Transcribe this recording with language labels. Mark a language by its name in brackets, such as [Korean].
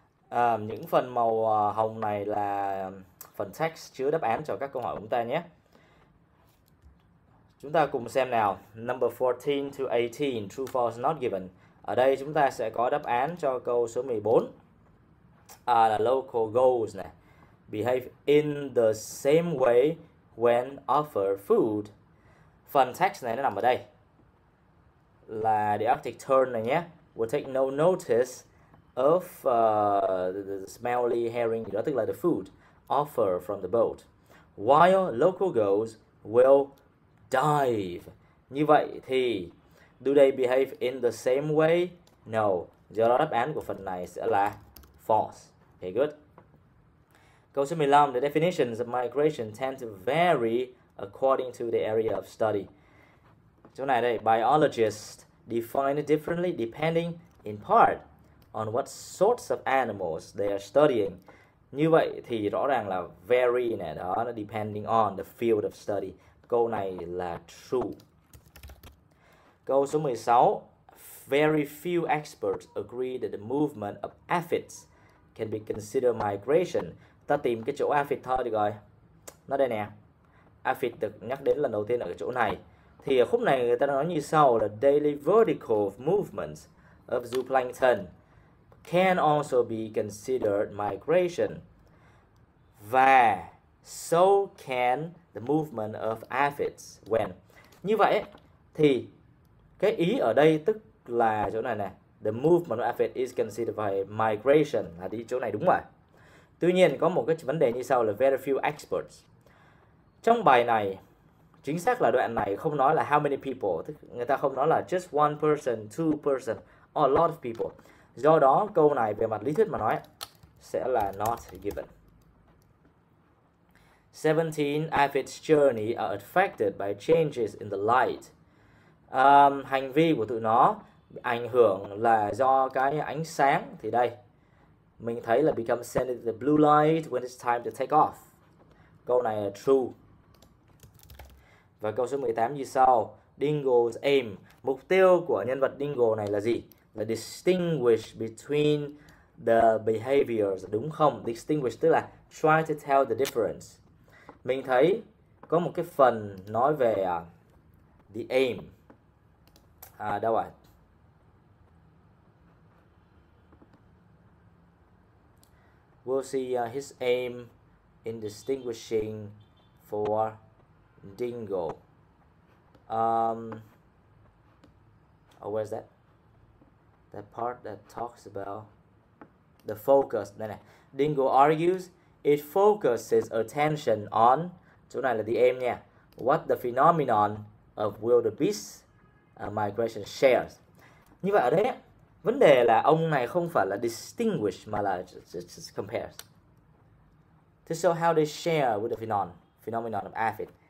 [Vietnamese] Những phần màu hồng này là phần text chứa đáp án cho các câu hỏi của chúng ta nhé. Chúng ta cùng xem nào. [English] Number 14 to 18, true, false, not given. [Vietnamese] Ở đây chúng ta sẽ có đáp án cho câu số 14. Là local goals này. [English] Behave in the same way when offered food. [Vietnamese] Phần text này nó nằm ở đây. Là [English] the Arctic tern [Vietnamese] này nhé. [English] Will take no notice of the smelly herring, [Vietnamese] đó tức là [English] the food offered from the boat. While local girls will dive. [Vietnamese] Như vậy thì, [English] do they behave in the same way? No. [Vietnamese] Do đó đáp án của phần này sẽ là false. [English] Okay, good. [Vietnamese] Câu số 15. [English] The definitions of migration tend to vary according to the area of study. [Vietnamese] Chỗ này đây, [English] biologists define it differently depending in part on what sorts of animals they are studying. [Vietnamese] Như vậy thì rõ ràng là vary nè, đó là [English] depending on the field of study. [Vietnamese] Câu này là true. Câu số 16. [English] Very few experts agree that the movement of aphids can be considered migration. [Vietnamese] Ta tìm cái chỗ aphid thôi được rồi. Nó đây nè. Aphid được nhắc đến lần đầu tiên ở cái chỗ này. Thì ở khúc này người ta nói như sau là [English] daily vertical movements of zooplankton can also be considered migration. Và so can the movement of aphids when. [Vietnamese] Như vậy thì cái ý ở đây tức là chỗ này nè. [English] The movement of aphids is considered by migration. [Vietnamese] Là đi chỗ này đúng rồi. Tuy nhiên có một cái vấn đề như sau là [English] very few experts. [Vietnamese] Trong bài này, chính xác là đoạn này không nói là [English] how many people, [Vietnamese] tức người ta không nói là [English] just one person, two person, or a lot of people. [Vietnamese] Do đó, câu này về mặt lý thuyết mà nói sẽ là not given. 17. [English] Aphids' journey are affected by changes in the light. [Vietnamese] Hành vi của tụi nó ảnh hưởng là do cái ánh sáng. Thì đây, mình thấy là [English] become sensitive to the blue light when it's time to take off. [Vietnamese] Câu này là [English] true. [Vietnamese] Và câu số 18 như sau, Dingle's aim, mục tiêu của nhân vật Dingle này là gì? [English] Là distinguish between the behaviors, [Vietnamese] đúng không? [English] Distinguish [Vietnamese] tức là [English] try to tell the difference. [Vietnamese] Mình thấy có một cái phần nói về the aim. À, đâu ạ? [English] We'll see his aim in distinguishing for Dingle. Oh, where's that? That part that talks about the focus. Nè, nè. Dingle argues it focuses attention on, [Vietnamese] chỗ này là [English] the aim nha, what the phenomenon of wildebeest migration shares. [Vietnamese] Như vậy ở đây, vấn đề là ông này không phải là distinguish mà là [English] just compares. To show how they share with the phenomenon of aphid.